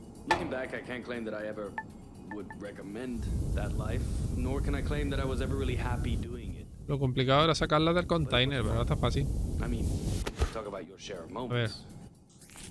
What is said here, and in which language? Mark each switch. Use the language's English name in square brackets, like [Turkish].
[English] Looking back, I can't claim that I ever would recommend that life, nor can I claim that I was ever really happy doing it. [Spanish] Lo complicado era sacarla del container, pero está fácil. [English] I mean, talk about your share of moments. [Spanish] A ver.